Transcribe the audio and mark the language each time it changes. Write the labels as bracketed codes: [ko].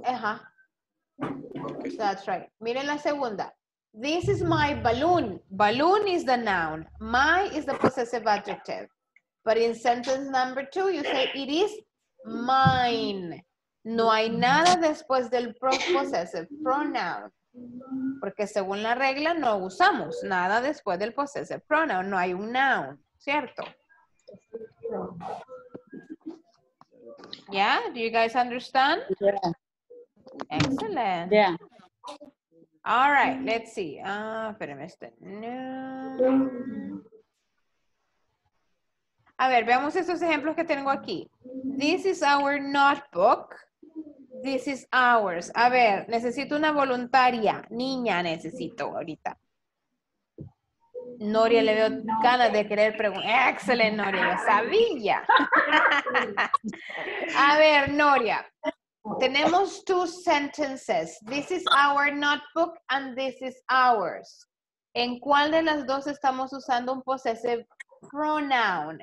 [es] Ajá. [en] That's right. [es] Miren la segunda. [en] This is my balloon. Balloon is the noun. My is the possessive adjective. But in sentence number two, you say it is mine. [es] No hay nada después del possessive pronoun. Porque según la regla, no usamos nada después del possessive pronoun. No hay un noun. ¿Cierto? [en] Yeah? Do you guys understand? Yeah. Excellent. Yeah. All right. Let's see. [es] Espérame este. No. A ver, veamos estos ejemplos que tengo aquí. [en] This is our notebook. This is ours. [es] A ver, necesito una voluntaria. Niña, necesito ahorita. Noria, le veo ganas de querer preguntar. Excelente, Noria. Sabía. A ver, Noria. Tenemos [en] two sentences. This is our notebook and this is ours. [es] ¿En cuál de las dos estamos usando un possessive pronoun?